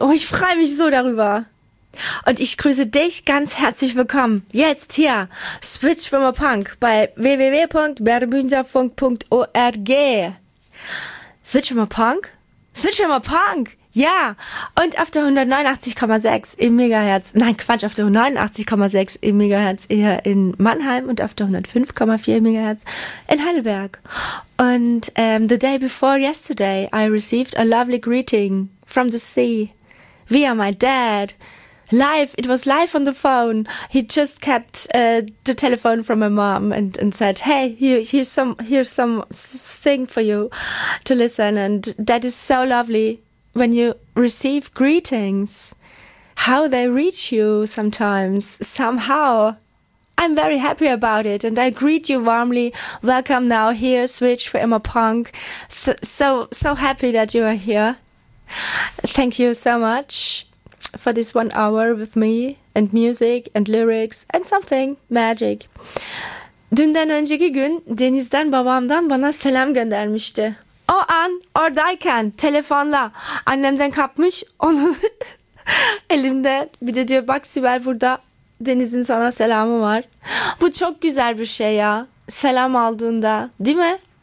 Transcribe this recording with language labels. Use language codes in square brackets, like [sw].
[de] Oh, ich freue mich so darüber. Und ich grüße dich ganz herzlich willkommen, jetzt hier, Switch from a Punk bei www.berbünderfunk.org. Switch from a Punk? Switch from a Punk! Ja, und auf der 189,6 im Megahertz, nein Quatsch, auf der 89,6 im Megahertz eher in Mannheim und auf der 105,4 im Megahertz in Heidelberg. [en] Und the day before yesterday I received a lovely greeting from the sea via my dad. Live, it was live on the phone. He just kept the telephone from my mom and said, hey, here's something for you to listen. And that is so lovely. When you receive greetings, how they reach you sometimes, somehow. I'm very happy about it and I greet you warmly. Welcome now here, Switch for Emma Punk. So happy that you are here. Thank you so much for this 1 hour with me and music and lyrics and something magic. [tr] Dünden önceki gün Deniz'den babamdan bana selam göndermişti. O an oradayken telefonla annemden kapmış onu elimde. Bir de diyor bak Sibel burada Deniz'in sana selamı var. Bu çok güzel bir şey ya. Selam aldığında değil mi?